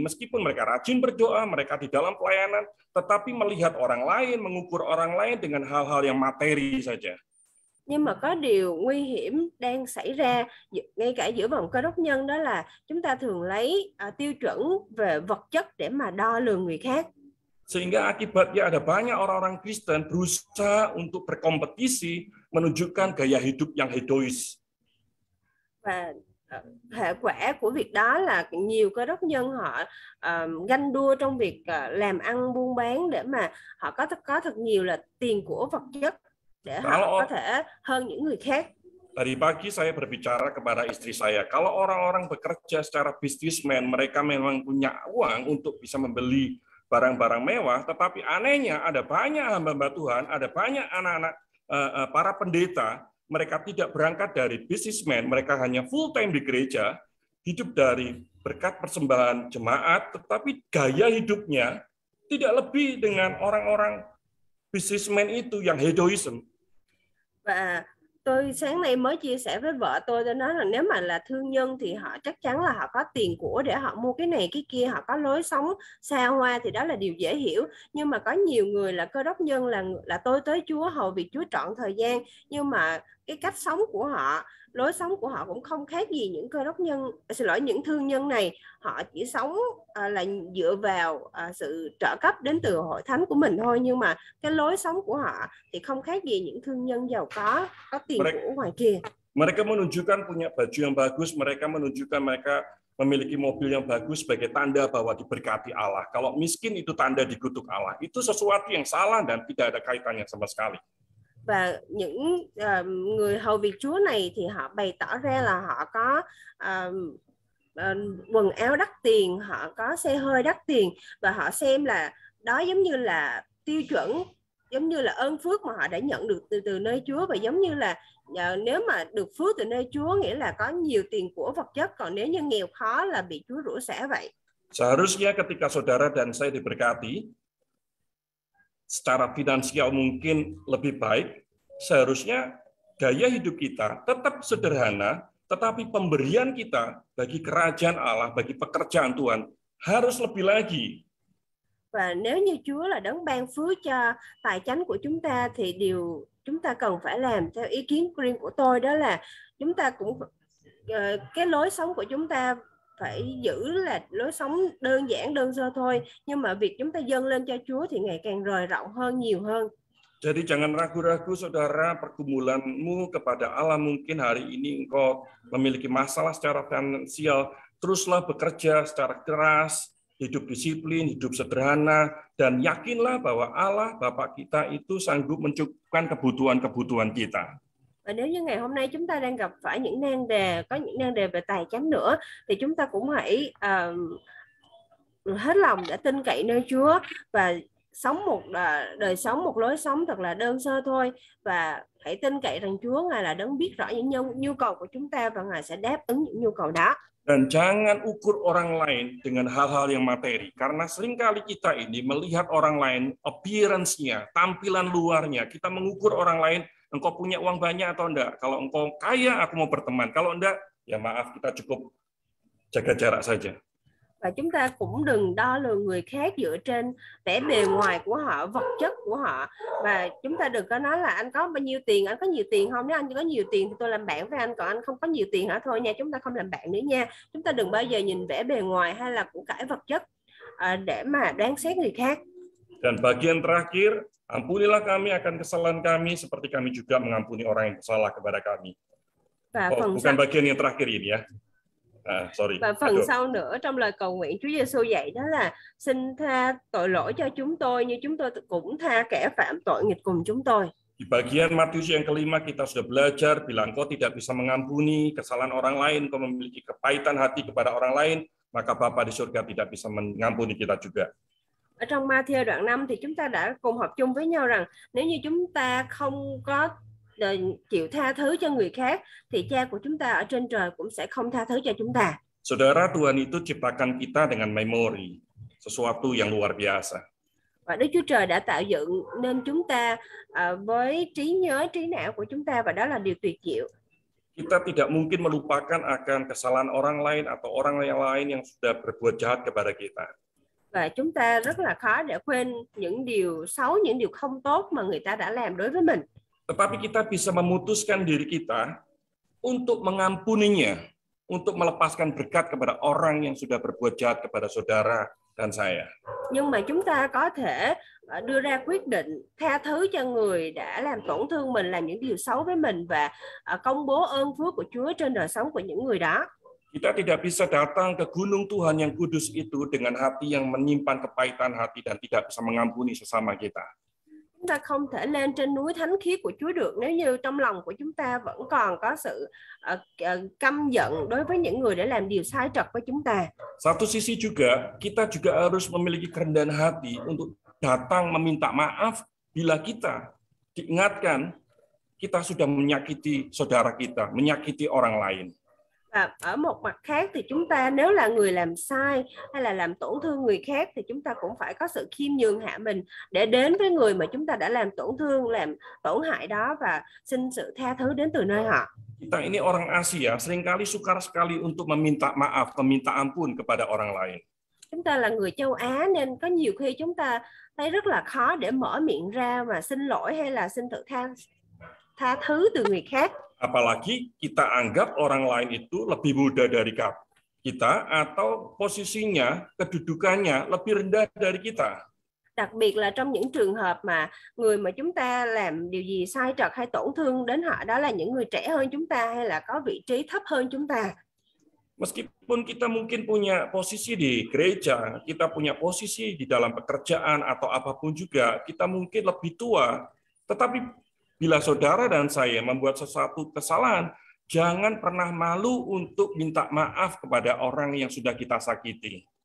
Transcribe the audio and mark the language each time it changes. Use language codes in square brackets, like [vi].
[id] Meskipun mereka rajin berdoa, mereka di dalam pelayanan, tetapi melihat orang lain, mengukur orang lain dengan hal-hal yang materi saja. [vi] Nhưng mà có điều nguy hiểm đang xảy ra ngay cả giữa vòng cơ đốc nhân, đó là chúng ta thường lấy tiêu chuẩn về vật chất để mà đo lường người khác. [id] Sehingga akibatnya ada banyak orang-orang Kristen berusaha untuk berkompetisi menunjukkan gaya hidup yang hedonis. [vi] Và hệ quả của việc đó là nhiều cơ đốc nhân họ ganh đua trong việc làm ăn buôn bán để mà họ có thật nhiều là tiền của vật chất để họ có thể hơn những người khác. [id] Dari pagi saya berbicara kepada istri saya, kalau orang-orang bekerja secara businessman, mereka memang punya uang untuk bisa membeli barang-barang mewah, tetapi anehnya ada banyak hamba-hamba Tuhan, ada banyak anak-anak para pendeta, mereka tidak berangkat dari businessman, mereka hanya full time di gereja, hidup dari berkat persembahan jemaat, tetapi gaya hidupnya tidak lebih dengan orang-orang businessman itu yang hedonism. [vi] Và tôi sáng nay mới chia sẻ với vợ tôi, tôi nói rằng nếu mà là thương nhân thì họ chắc chắn là họ có tiền của để họ mua cái này cái kia, họ có lối sống xa hoa thì đó là điều dễ hiểu. Nhưng mà có nhiều người là cơ đốc nhân, là tôi tới Chúa hầu việc Chúa trọn thời gian, nhưng mà cái cách sống của họ, lối sống của họ cũng không khác gì những cơ đốc nhân, xin lỗi, những thương nhân này. Họ chỉ sống là dựa vào sự trợ cấp đến từ hội thánh của mình thôi, nhưng mà cái lối sống của họ thì không khác gì những thương nhân giàu có tiền của ngoài kia. [id] Mereka menunjukkan punya baju yang bagus, mereka menunjukkan mereka memiliki mobil yang bagus sebagai tanda bahwa diberkati Allah. Kalau miskin itu tanda dikutuk Allah. Itu sesuatu yang salah dan tidak ada kaitannya sama sekali. [vi] Và những người hầu việc Chúa này thì họ bày tỏ ra là họ có quần áo đắt tiền, họ có xe hơi đắt tiền và họ xem là đó giống như là tiêu chuẩn, giống như là ơn phước mà họ đã nhận được từ nơi Chúa, và giống như là nếu mà được phước từ nơi Chúa nghĩa là có nhiều tiền của vật chất, còn nếu như nghèo khó là bị Chúa rủa sẻ vậy. [id] Seharusnya ketika saudara dan saya diberkati secara finansial mungkin lebih baik, seharusnya gaya hidup kita tetap sederhana, tetapi pemberian kita bagi kerajaan Allah, bagi pekerjaan Tuhan harus lebih lagi. [vi] Và nếu như Chúa là đấng ban phước cho tài chánh của chúng ta thì điều chúng ta cần phải làm theo ý kiến riêng của tôi đó là chúng ta cũng cái lối sống của chúng ta phải giữ là lối sống đơn giản đơn sơ thôi, nhưng mà việc chúng ta dâng lên cho Chúa thì ngày càng rời rộng hơn, nhiều hơn. [id] Jadi jangan ragu-ragu saudara, pergumulanmu kepada Allah, mungkin hari ini engkau memiliki masalah secara finansial, teruslah bekerja secara keras, hidup disiplin, hidup sederhana, dan yakinlah bahwa Allah Bapa kita itu sanggup mencukupkan kebutuhan-kebutuhan kita. [vi] Và nếu như ngày hôm nay chúng ta đang gặp phải những nan đề, có những nan đề về tài chánh nữa, thì chúng ta cũng hãy hết lòng để tin cậy nơi Chúa và sống một đời sống, một lối sống thật là đơn sơ thôi, và hãy tin cậy rằng Chúa Ngài là đấng biết rõ những nhu cầu của chúng ta và Ngài sẽ đáp ứng những nhu cầu đó. [id] Dan jangan ukur orang lain dengan hal-hal yang materi, karena seringkali kita ini melihat orang lain appearance-nya, tampilan luarnya, kita mengukur orang lain, engkau punya uang banyak atau enggak? Kalau engkau kaya, aku mau berteman. Kalau enggak, ya maaf, kita cukup jaga jarak saja. [vi] Và chúng ta cũng đừng đo lường người khác dựa trên vẻ bề ngoài của họ, vật chất của họ. Và chúng ta đừng có nói là anh có bao nhiêu tiền, anh có nhiều tiền không? Nếu anh có nhiều tiền thì tôi làm bạn với anh, còn anh không có nhiều tiền hả, thôi nha, chúng ta không làm bạn nữa nha. Chúng ta đừng bao giờ nhìn vẻ bề ngoài hay là của cải vật chất để mà đoán xét người khác. [id] Dan bagian terakhir, ampunilah kami akan kesalahan kami seperti kami juga mengampuni orang yang bersalah kepada kami. Oh, bukan bagian yang terakhir ini ya. [en] Sorry. [vi] Và phần sau nữa trong lời cầu nguyện Chúa Giêsu dạy đó là xin tha tội lỗi cho chúng tôi như chúng tôi cũng tha kẻ phạm tội nghịch cùng chúng tôi. [id] Di bagian Matius yang kelima kita sudah belajar bila engkau tidak bisa mengampuni kesalahan orang lain, engkau memiliki kepahitan hati kepada orang lain, maka Bapa di surga tidak bisa mengampuni kita juga. [vi] Ở trong Matthew đoạn 5 thì chúng ta đã cùng học chung với nhau rằng nếu như chúng ta không có chịu tha thứ cho người khác thì cha của chúng ta ở trên trời cũng sẽ không tha thứ cho chúng ta. [id] Saudara, Tuhan itu ciptakan kita dengan memori, sesuatu yang luar biasa. [vi] Và Đức Chúa Trời đã tạo dựng nên chúng ta với trí nhớ, trí não của chúng ta, và đó là điều tuyệt diệu. [id] Kita tidak mungkin melupakan akan kesalahan orang lain atau orang lain yang sudah berbuat jahat kepada kita. [vi] Và chúng ta rất là khó để quên những điều xấu, những điều không tốt mà người ta đã làm đối với mình. [id] Tetapi kita bisa memutuskan diri kita untuk mengampuninya, untuk melepaskan berkat kepada orang yang sudah berbuat jahat kepada saudara dan saya. [vi] Nhưng mà chúng ta có thể đưa ra quyết định tha thứ cho người đã làm tổn thương mình, làm những điều xấu với mình, và công bố ơn phước của Chúa trên đời sống của những người đó. [id] Kita tidak bisa datang ke gunung Tuhan yang kudus itu dengan hati yang menyimpan kepahitan hati dan tidak bisa mengampuni sesama kita. [vi] Chúng ta không thể lên trên núi thánh khiết của Chúa được nếu như trong lòng của chúng ta vẫn còn có sự căm giận đối với những người đã làm điều sai trật với chúng ta. [id] Satu sisi juga, kita juga harus memiliki kerendahan hati untuk datang meminta maaf bila kita diingatkan kita sudah menyakiti saudara kita, menyakiti orang lain. [vi] Và ở một mặt khác thì chúng ta nếu là người làm sai hay là làm tổn thương người khác thì chúng ta cũng phải có sự khiêm nhường hạ mình để đến với người mà chúng ta đã làm tổn thương, làm tổn hại đó và xin sự tha thứ đến từ nơi họ. [id] Kita ini orang Asia, seringkali sukar sekali untuk meminta maaf, meminta ampun kepada orang lain. [vi] Chúng ta là người châu Á nên có nhiều khi chúng ta thấy rất là khó để mở miệng ra mà xin lỗi hay là xin tự tha thứ từ người khác. [id] Apalagi kita anggap orang lain itu lebih muda dari kita atau posisinya, kedudukannya lebih rendah dari kita. [vi] đặc biệt là trong những trường hợp mà người mà chúng ta làm điều gì sai trật hay tổn thương đến họ, đó là những người trẻ hơn chúng ta hay là có vị trí thấp hơn chúng ta. [id] Meskipun kita mungkin punya posisi di gereja, kita punya posisi di dalam pekerjaan atau apapun juga, kita mungkin lebih tua, tetapi bila saudara dan saya membuat sesuatu kesalahan, jangan pernah malu untuk minta maaf kepada orang yang sudah kita sakiti.